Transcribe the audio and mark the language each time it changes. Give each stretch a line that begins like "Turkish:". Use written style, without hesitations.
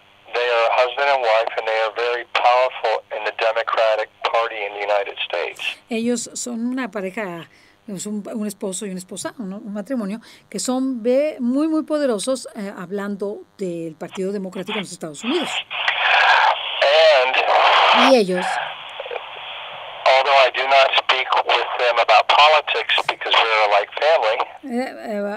English: They are husband and wife, and they are very powerful in the Democratic Party in the United States.
Spanish: Ellos son una pareja, un esposo y una esposa, un matrimonio, que son muy, muy poderosos hablando del Partido Democrático en los Estados Unidos.
English: And
Spanish: y ellos,
English: although I do not speak with them about politics because we are like family,